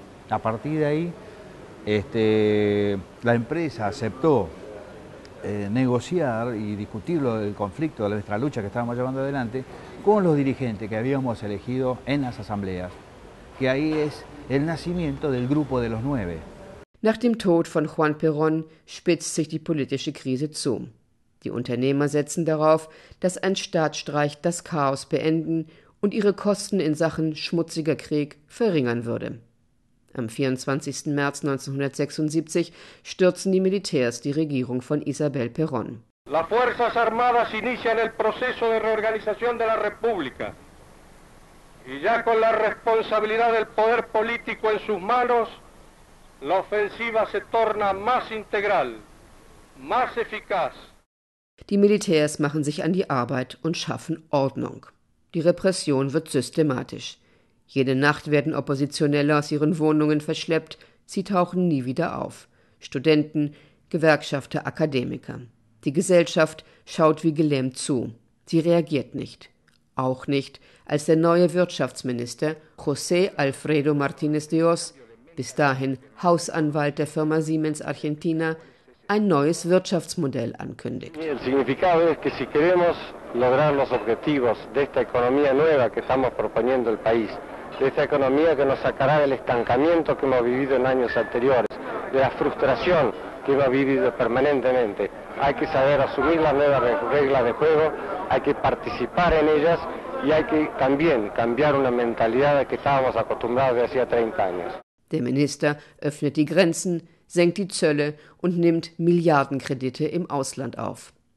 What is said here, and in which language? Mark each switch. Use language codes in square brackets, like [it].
[es] A partir de ahí, la empresa aceptó negociar y discutir el conflicto de nuestra lucha que estábamos llevando adelante con los dirigentes que habíamos elegido en las asambleas. Que ahí es el nacimiento del grupo de los nueve. [de] Nach dem Tod von Juan Perón spitzt sich die politische Krise zu. Die Unternehmer setzen darauf, dass ein Staatsstreich das Chaos beenden und ihre Kosten in Sachen schmutziger Krieg verringern würde. Am 24. März 1976 stürzen die Militärs die Regierung von Isabel Perón. [es] Las Fuerzas Armadas inician el proceso de reorganización de la República. Y ya con la responsabilidad del poder político en sus manos, la ofensiva se torna más integral, más eficaz. [de] Die Militärs machen sich an die Arbeit und schaffen Ordnung. Die Repression wird systematisch. Jede Nacht werden Oppositionelle aus ihren Wohnungen verschleppt, sie tauchen nie wieder auf. Studenten, Gewerkschafter, Akademiker. Die Gesellschaft schaut wie gelähmt zu. Sie reagiert nicht. Auch nicht, als der neue Wirtschaftsminister José Alfredo Martínez de Hoz, bis dahin Hausanwalt der Firma Siemens Argentina, ein neues Wirtschaftsmodell ankündigt. [es] El significado es que si queremos lograr los objetivos de esta economía nueva que estamos proponiendo el país, de esta economía que nos sacará del estancamiento que hemos vivido en años anteriores, de la frustración que hemos vivido permanentemente, hay que saber asumir las nuevas reglas de juego, hay que participar en ellas y hay que también cambiar una mentalidad a la que estábamos acostumbrados de hacía 30 años. [de] Der Minister öffnet die Grenzen, senkt die Zölle und nimmt Milliardenkredite im Ausland auf.